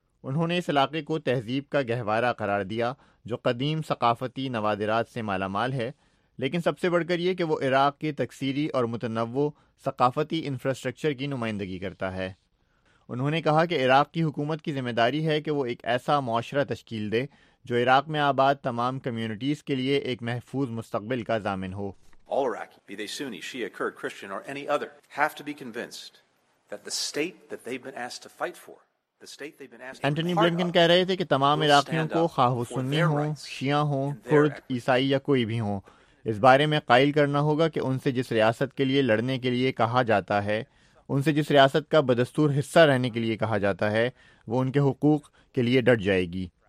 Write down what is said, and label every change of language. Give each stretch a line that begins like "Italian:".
Urdu: انہوں نے اس علاقے کو تہذیب کا گہوارہ قرار دیا جو قدیم ثقافتی نوادرات سے مالا مال ہے, لیکن سب سے بڑھ کر یہ کہ وہ عراق کے تکثیری اور متنوع ثقافتی انفراسٹرکچر کی نمائندگی کرتا ہے. انہوں نے کہا کہ عراق کی حکومت کی ذمہ داری ہے کہ وہ ایک ایسا معاشرہ تشکیل دے جو عراق میں آباد تمام کمیونٹیز کے لیے ایک محفوظ مستقبل کا ضامن ہو.
English: All Iraqi, be they Sunni, Shia, Kurd, Christian or any other, have to be convinced that the state that they've been asked to fight for, the state they've been asked to.
Urdu: Antony Blinken کہہ رہے تھے کہ تمام عراقیوں کو, خواہ وہ سنی ہوں, شیعہ ہوں, کرد, عیسائی یا کوئی بھی ہوں, اس بارے میں قائل کرنا ہوگا کہ ان سے جس ریاست کے لیے لڑنے کے لیے کہا جاتا ہے, ان سے جس ریاست کا بدستور حصہ رہنے کے لیے کہا جاتا ہے, وہ ان کے حقوق کے لیے ڈٹ جائے گی.